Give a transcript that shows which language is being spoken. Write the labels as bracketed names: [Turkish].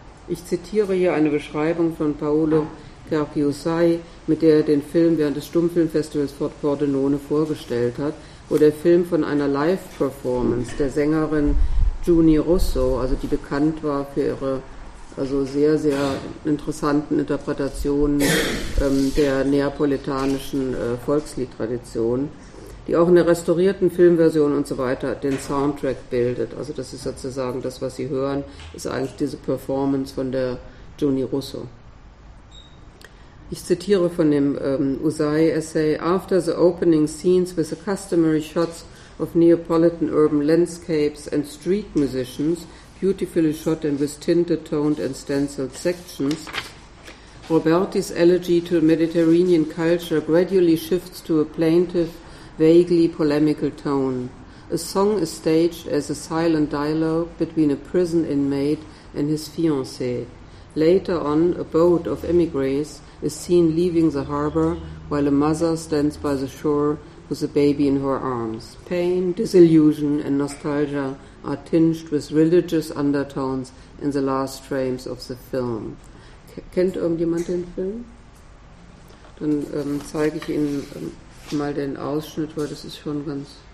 [German] Ich zitiere hier eine Beschreibung von Paolo Cerchiusai, mit der er den Film während des Stummfilmfestivals Fort Pordenone vorgestellt hat, wo der Film von einer Live-Performance der Sängerin Juni Russo, also die bekannt war für ihre also sehr, sehr interessanten Interpretationen der neapolitanischen Volksliedtradition, die auch in der restaurierten Filmversion und so weiter den Soundtrack bildet. Also das ist sozusagen das, was Sie hören, ist eigentlich diese Performance von der Juni Russo. Ich zitiere von dem Usai-Essay: [English] After the opening scenes with the customary shots of Neapolitan urban landscapes and street musicians, beautifully shot and with tinted, toned and stenciled sections, Roberti's elegy to Mediterranean culture gradually shifts to a plaintive, vaguely polemical tone. A song is staged as a silent dialogue between a prison inmate and his fiancée. Later on, a boat of emigres is seen leaving the harbor while a mother stands by the shore with a baby in her arms. Pain, disillusion and nostalgia are tinged with religious undertones in the last frames of the film. [German] Kennt irgendjemand den Film? Dann zeige ich Ihnen mal den Ausschnitt, weil das ist schon ganz...